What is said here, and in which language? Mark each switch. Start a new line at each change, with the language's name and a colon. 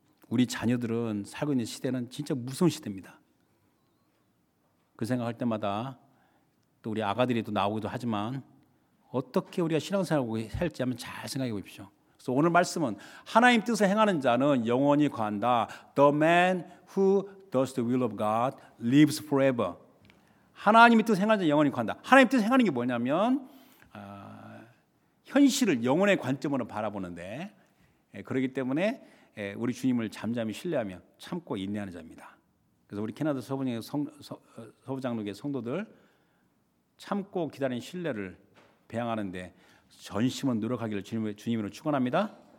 Korean: 우리 자녀들은 살고 있는 시대는 진짜 무서운 시대입니다. 그 생각할 때마다 또 우리 아가들이 또 나오기도 하지만 어떻게 우리가 신앙생활을 할지 한번 잘 생각해 보십시오. 그래서 오늘 말씀은 하나님 뜻을 행하는 자는 영원히 거한다.
English: The man who does the will of God lives forever.
Korean: 하나님의 뜻을 행하는 자는 영원히 거한다. 하나님의 뜻을 행하는 게 뭐냐면 현실을 영혼의 관점으로 바라보는데 그렇기 때문에 우리 주님을 잠잠히 신뢰하며 참고 인내하는 자입니다. 그래서 우리 캐나다 서부장로교의 성도들 참고 기다린 신뢰를 배양하는데 전심으로 노력하기를 주님으로 축원합니다.